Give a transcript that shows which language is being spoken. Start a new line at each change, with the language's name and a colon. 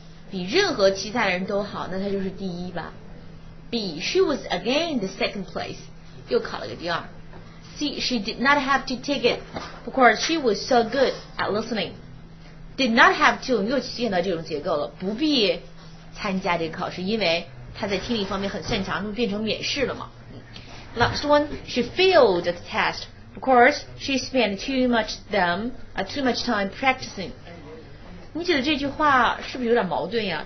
Chinese: 比任何其他人都好，那她就是第一吧。
English: B, she was again the second place.
Chinese: 又考了个第二。
English: C, she did not have to take it because she was so good at listening. Did not have to,
Chinese: 又见到这种结构了，不必参加这个考试，因为他在听力方面很擅长，那么变成免试了嘛。
English: Last one, she failed the test because she spent too much time practicing.
Chinese: 你觉得这句话是不是有点矛盾呀？